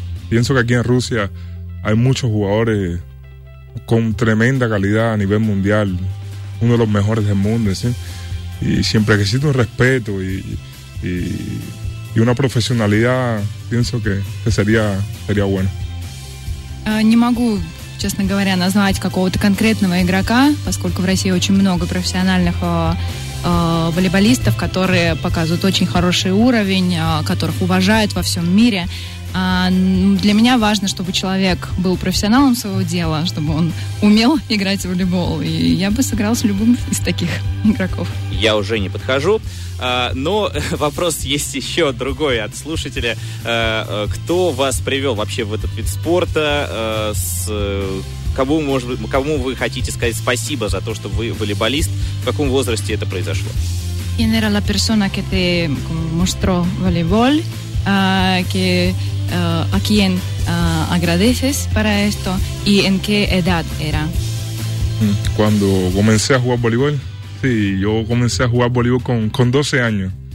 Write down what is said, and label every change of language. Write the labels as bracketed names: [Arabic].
[Spanish] Pienso que aquí en Rusia hay muchos jugadores con tremenda calidad a nivel mundial. Uno de los mejores del mundo, ¿sí? Y siempre que existe un respeto y una profesionalidad, pienso que sería bueno. [Russian] Не могу, честно говоря, назвать какого-то конкретного игрока, поскольку в России очень много профессиональных волейболистов, которые показывают очень хороший уровень, которых уважают во всем мире. Для меня важно, чтобы человек был профессионалом своего дела, чтобы он умел играть в волейбол. И я бы сыграл с любым из таких игроков. Я уже не подхожу. Но вопрос есть еще другой от слушателя. Кто вас привел вообще в этот вид спорта? Кому вы хотите сказать спасибо за то, что вы волейболист? В каком возрасте это произошло? Я была [Spanish] la persona que te mostró voleibol, que a quien agradeces para esto y en qué edad era. Cuando comencé a jugar voleibol, sí, yo comencé a jugar voleibol con 12 años.